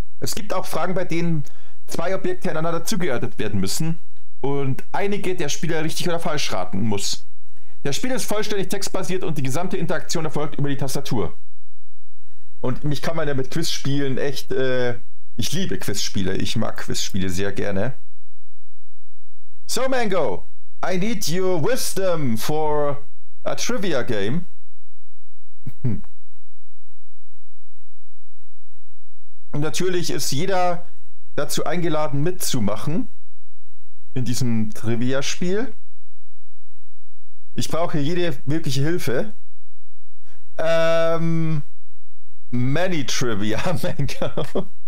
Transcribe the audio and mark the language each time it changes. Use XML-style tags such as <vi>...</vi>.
<de>Es gibt auch Fragen, bei denen zwei Objekte einander zugeordnet werden müssen und einige der Spieler richtig oder falsch raten muss. Das Spiel ist vollständig textbasiert und die gesamte Interaktion erfolgt über die Tastatur. Und mich kann man ja mit Quizspielen echt, ich liebe Quizspiele, ich mag Quizspiele sehr gerne.</de> <en>So Mango, I need your wisdom for a trivia game.</en> <de>Und natürlich ist jeder dazu eingeladen mitzumachen in diesem Trivia-Spiel. Ich brauche jede mögliche Hilfe.</de> <en>Many Trivia, Mango.</en>